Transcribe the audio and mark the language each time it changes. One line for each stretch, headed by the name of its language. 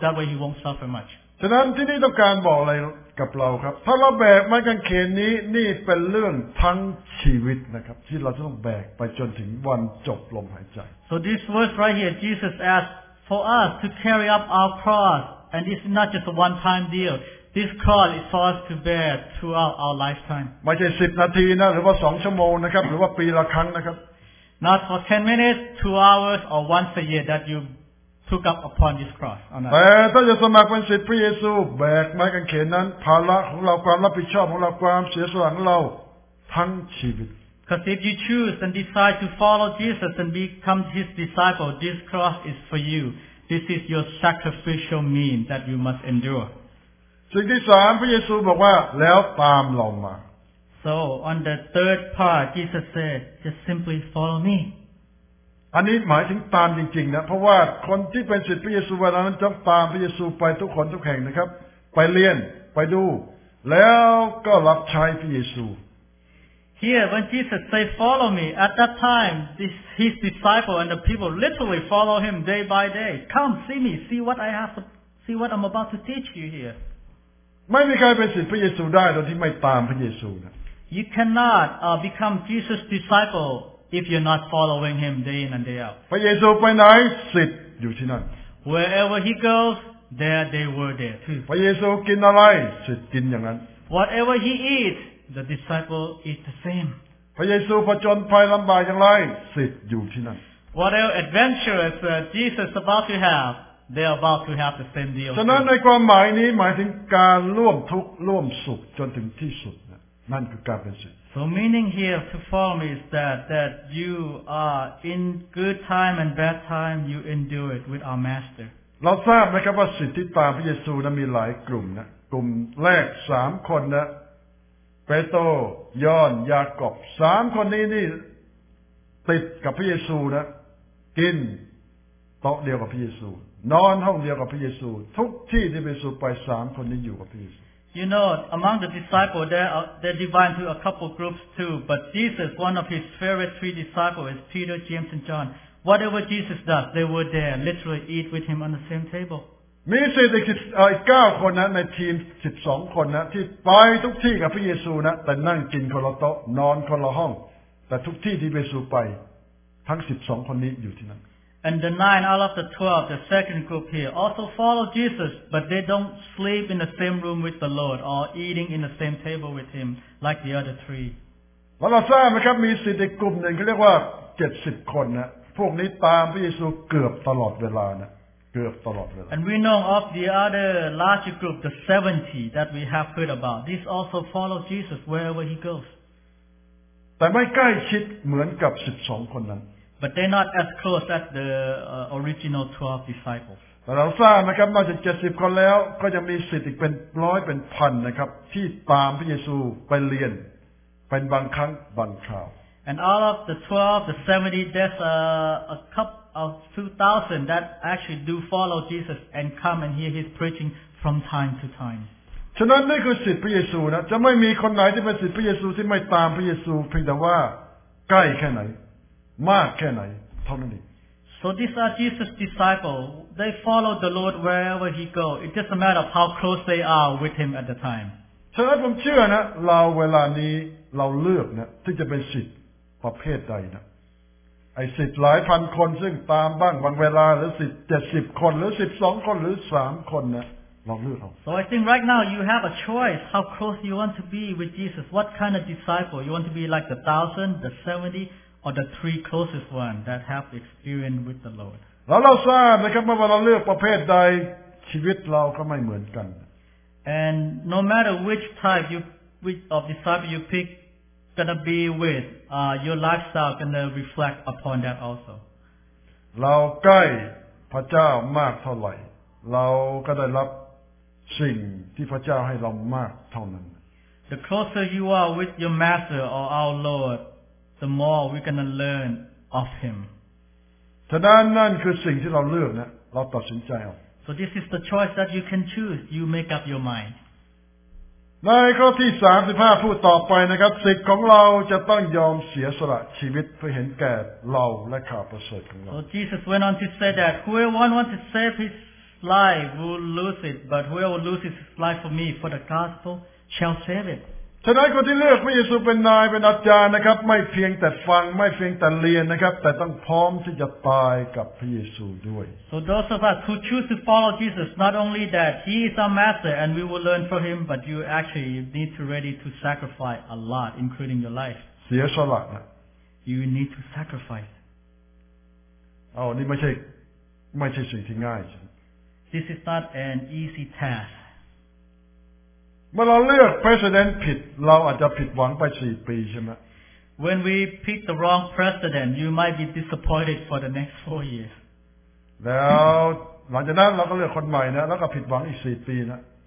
English: That way he won't suffer much.
Thai: ฉะนั้นที่นี่ต้องการบอกอะไรกับเราครับถ้าเราแบกไม้กางเขนนี้นี่เป็นเรื่องทั้งชีวิตนะครับที่เราจะต้องแบกไปจนถึงวันจบลมหายใจ
English: So this verse right here, Jesus asked for us to carry up our cross, and it's not just a one-time deal. This cross is for us to bear throughout our lifetime.
Thai: ไม่ใช่10นาทีนะหรือว่า2ชั่วโมงนะครับหรือว่าปีละครั้งนะครับ
English: Not for 10 minutes, 2 hours, or once a year that youtook up upon this cross.
Thai: แต่ถ้าจะสมัครเป็นศิษย์พระเยซูแบกไม้กางเขนนั้นภาระของเราความรับผิดชอบของเราความเสียสละของเราทั้งชีวิต
English: Because if you choose and decide to follow Jesus and become His disciple, this cross is for you. This is your sacrificial means that you must endure.
Thai: สิ่งที่สามพระเยซูบอกว่าแล้วตามเรามา
English: So on the third part, Jesus said, just simply follow me.
Thai: อันนี้หมายถึงตามจริงๆนะเพราะว่าคนที่เป็นศิษย์พระเยซูเวลานั้นต้องตามพระเยซูไปทุกคนทุกแห่งนะครับไปเรียนไปดูแล้วก็รับใช้พระเยซู
English: Here when Jesus say follow me at that time his disciple and the people literally follow him day by day come see me see what I'm about to teach you here
Thai: ไม่มีใครเป็นศิษย์พระเยซูได้โดยที่ไม่ตามพระเยซูนะ
English: You cannot become Jesus disciple if you're not following him day in and day out.
Thai: พระเยซูไปไหนศิษย์อยู่ที่นั่น
English: Wherever he goes, there they were there too.
Thai: พระเยซูกินอะไรศิษย์กินอย่างนั้น
English: Whatever he eats, the disciple eats the same.
Thai: พระเยซูผจญภัยลำบากอย่างไรศิษย์อยู่ที่นั่น
English: Whatever adventures Jesus about to have, they're about to have the same deal.
Thai: ฉะนั้นในความหมายนี้หมายถึงการร่วมทุกข์ร่วมสุขจนถึงที่สุดนั่นคือการเป็นศิษย์
English: So meaning here to follow me is that you are in good time and bad time you endure it with our master.
Thai: เราทราบนะครับว่าศิษย์ที่ตามพระเยซูนั้นมีหลายกลุ่มนะกลุ่มแรก3คนนะเปโตรยอนยากอบ3คนนี้นี่ติดกับพระเยซูนะกินโต๊ะเดียวกับพระเยซูนอนห้องเดียวกับพระเยซูทุกที่ที่พระเยซูไป3คนนี้อยู่กับพระเยซู
English: You know, among the disciples, they're divided into a couple groups too. But Jesus, one of his favorite three disciples is Peter, James, and John. Whatever Jesus does, they were there, literally eat with him on the same table.
Thai: มีศิษย์อีก9คนนะในทีม12คนนะที่ไปทุกที่กับพระเยซูนะแต่นั่งกินคนละโต๊ะนอนคนละห้องแต่ทุกที่ที่พระเยซูไปทั้ง12คนนี้อยู่ที่นั่น
English: And the 9 out of the 12, the second group here, also follow Jesus, but they don't sleep in the same room with the Lord or eating in the same table with him like the other three.
Thai: เราทราบนะครับมีศิษย์อีกกลุ่มหนึ่งเขาเรียกว่า70คนนะพวกนี้ตามพระเยซูเกือบตลอดเวลานะเกือบตลอดเวลา
English: And we know of the other larger group, the 70 that we have heard about. These also follow Jesus wherever he goes.
Thai: แต่ไม่ใกล้ชิดเหมือนกับ12คนนั้น
English: But they're not as close as the original 12 disciples.
Thai: แต่เราทราบนะครับนอกจาก70คนแล้วก็ยังมีศิษย์อีกเป็นร้อยเป็นพันนะครับที่ตามพระเยซูไปเรียนเป็นบางครั้งบางคราว
English: And out of the 12, the 70, there's a couple of 2,000 that actually do follow Jesus and come and hear his preaching from time to time.
Thai: ฉะนั้นนี่คือศิษย์พระเยซูนะจะไม่มีคนไหนที่เป็นศิษย์พระเยซูที่ไม่ตามพระเยซูเพียงแต่ว่าใกล้แค่ไหนมากแค่ไหนเท่านั้นเอง
English: So these are Jesus' disciples. They follow the Lord wherever he go. It's just a matter of how close they are with him at the time.
Thai: ฉะนั้นผมเชื่อนะเราเวลานี้เราเลือกนะที่จะเป็นศิษย์ประเภทใดนะไอ้ศิษย์หลายพันคนซึ่งตามบ้างบางเวลาหรือศิษย์70คนหรือ12คนหรือ3คนนะเราเลือกเอา
English: So I think right now you have a choice how close you want to be with Jesus. What kind of disciple? You want to be like the 1,000, the 70,or the three closest ones that have experience with the Lord.
Thai: แล้วเราทราบนะครับว่าเราเลือกประเภทใดชีวิตเราก็ไม่เหมือนกัน
English: And no matter which type you which of disciple you pick gonna be with your lifestyle gonna reflect upon that also.
Thai: เราใกล้พระเจ้ามากเท่าไหร่เราก็ได้รับสิ่งที่พระเจ้าให้เรามากเท่านั้น
English: The closer you are with your master or our Lord,The more we're gonna learn of him.
Thai: ฉะนั้นนั่นคือสิ่งที่เราเลือกนะเราตัดสินใจเอา
English: So this is the choice that you can choose. You make up your mind.
Thai: ในข้อที่35พูดต่อไปนะครับสิทธิ์ของเราจะต้องยอมเสียสละชีวิตเพื่อเห็นแก่เราและข่าวประเสริฐของเรา
English: So Jesus went on to say that whoever wants to save his life will lose it but whoever loses his life for me for the gospel shall save it
Thai: ฉะนั้นคนที่เลือกพระเยซูเป็นนายเป็นอาจารย์นะครับไม่เพียงแต่ฟังไม่เพียงแต่เรียนนะครับแต่ต้องพร้อมที่จะตายกับพระเยซูด้วย
English: So those of us who choose to follow Jesus not only that he is our master and we will learn from him but you actually need to ready to sacrifice a lot including your life
Thai: เสียสละ
English: You need to sacrifice
Thai: เอานี่ไม่ใช่สิ่งที่ง่าย
English: This is not an easy task
Thai: เมื่อเราเลือกประธานผิดเราอาจจะผิดหวังไป4ปีใช่ไหม
English: When we pick the wrong president you might be disappointed for the next 4 years
Thai: แล้วหลังจากนั้นเราก็เลือกคนใหม่นะแล้วก็ผิดหวังอีก4ปีนะ